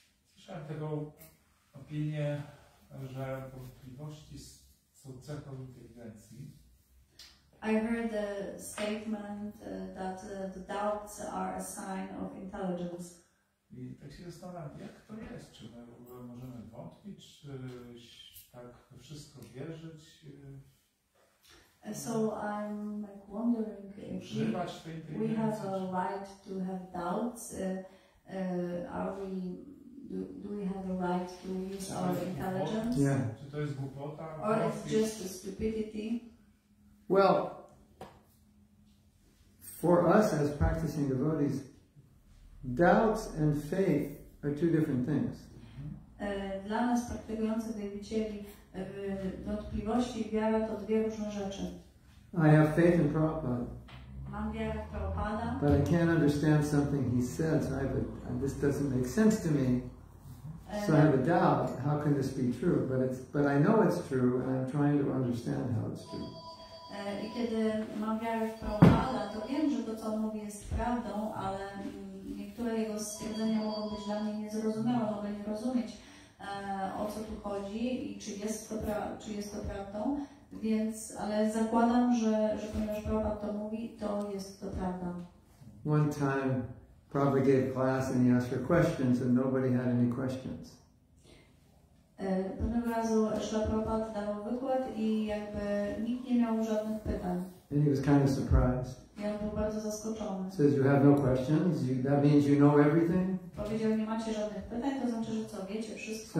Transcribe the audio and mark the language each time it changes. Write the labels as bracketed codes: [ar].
[pl] Słyszałem tego opinię, że wątpliwości są cechą inteligencji. [en] I heard the statement that the doubts are a sign of intelligence. [pl] I tak się zastanawiam, jak to jest? Czy my w ogóle możemy wątpić, czy tak wszystko wierzyć? [en] So I'm like wondering if we have a right to have doubts. Do we have a right to use our intelligence? Yeah. Or it's just a stupidity? Well, for us as practicing devotees, doubts and faith are two different things. [pl] Dla nas praktykujących wierzycieli wątpliwości i wiara to dwie różne rzeczy. [en] I have faith in Prabhupada. [pl] Mam wiarę w Prabhupada. [en] But I can't understand something he says. This doesn't make sense to me. So I have a doubt. How can this be true? But I know it's true, and I'm trying to understand how it's true. [pl] I kiedy mam wiarę w Prabhupada, to wiem, że to, co on mówi, jest prawdą, ale niektóre jego stwierdzenia mogą być dla mnie niezrozumiałe, mogę nie rozumieć, o co tu chodzi i czy jest to prawdą. Więc, ale zakładam, że ponieważ Prabhupada to mówi, to jest to prawda. [en] One time Prabhupada gave class and he asked for questions and nobody had any questions. [pl] Pewnego razu Śla Prabhupada dał wykład i jakby nikt nie miał żadnych pytań. [en] And he was kind of surprised. [pl] I on był bardzo zaskoczony. [en] Says, you have no questions, that means you know everything? [pl] Powiedział, nie macie żadnych pytań, to znaczy, że co, wiecie wszystko?